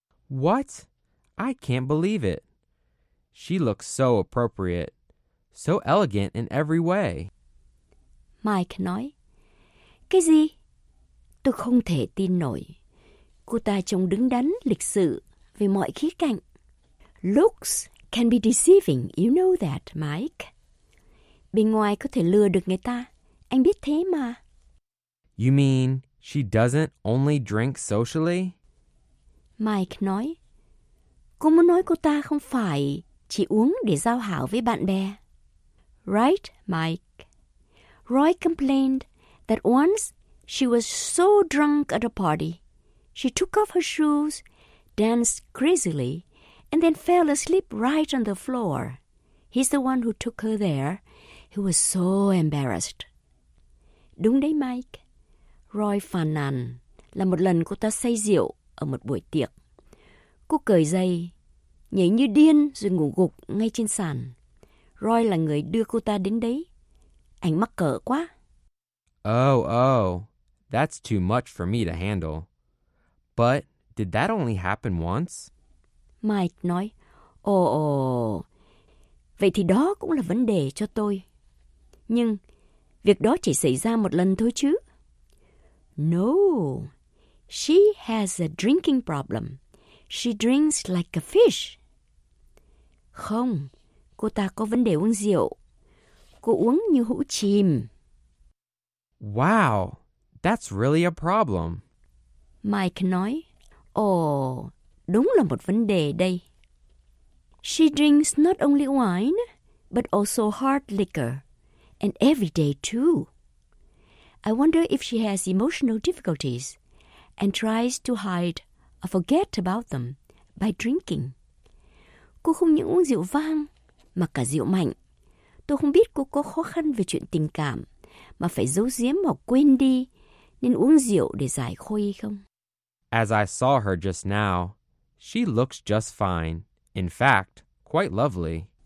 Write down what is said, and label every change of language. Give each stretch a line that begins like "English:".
English: What? I can't believe it. She looks so appropriate. So elegant in every way.
Vietnamese: Mike nói, cái gì? Tôi không thể tin nổi. Cô ta trông đứng đắn, lịch sự về mọi khía cạnh.
English: Looks can be deceiving, you know that, Mike.
Vietnamese: Bề ngoài có thể lừa được người ta. Anh biết thế mà.
English: You mean she doesn't only drink socially?
Vietnamese: Mike nói, cô muốn nói cô ta không phải chỉ uống để giao hảo với bạn bè.
English: Right, Mike. Roy complained that once she was so drunk at a party, she took off her shoes, danced crazily, and then fell asleep right on the floor. He's the one who took her there. He was so embarrassed.
Vietnamese: Đúng đấy, Mike. Roy phàn nàn là một lần cô ta say rượu ở một buổi tiệc. Cô cởi giày, nhảy như điên rồi ngủ gục ngay trên sàn. Roy là người đưa cô ta đến đấy. Anh mắc cỡ quá.
English: Oh, oh, that's too much for me to handle. But did that only happen once?
Vietnamese: Mike nói, vậy thì đó cũng là vấn đề cho tôi. Nhưng việc đó chỉ xảy ra một lần thôi chứ.
English: No, she has a drinking problem. She drinks like a fish.
Vietnamese: Không. Cô ta có vấn đề uống rượu. Cô uống như hũ chìm.
English: Wow, that's really a problem.
Vietnamese: Mike nói, đúng là một vấn đề đây.
English: She drinks not only wine, but also hard liquor. And every day too. I wonder if she has emotional difficulties and tries to hide or forget about them by drinking.
Vietnamese: Cô không những uống rượu vang, mà cả rượu mạnh. Tôi không biết cô có khó khăn về chuyện tình cảm mà phải giấu giếm hoặc quên đi, nên uống rượu để giải khuây không?
English: As I saw her just now, she looks just fine. In fact, quite lovely.